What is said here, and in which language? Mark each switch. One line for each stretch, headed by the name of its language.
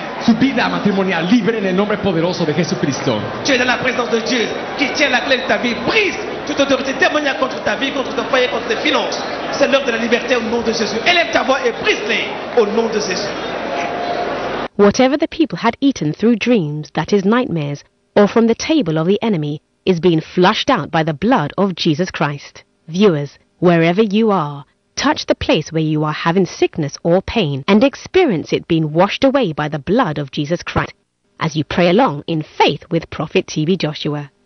Spanish: Su vida matrimonial libre en el nombre poderoso de Jesucristo.
French: Tu es dans la présence de Dieu qui tient la clé de ta vie. Brise toute autorité démoniaque contre ta vie, contre ton foyer, contre tes finances. C'est l'heure de la liberté au nom de Jésus. Élève ta voix et brise-les au nom de Jésus.
English: Whatever the people had eaten through dreams, that is nightmares, or from the table of the enemy, is being flushed out by the blood of Jesus Christ. Viewers, wherever you are, touch the place where you are having sickness or pain and experience it being washed away by the blood of Jesus Christ as you pray along in faith with Prophet TB Joshua.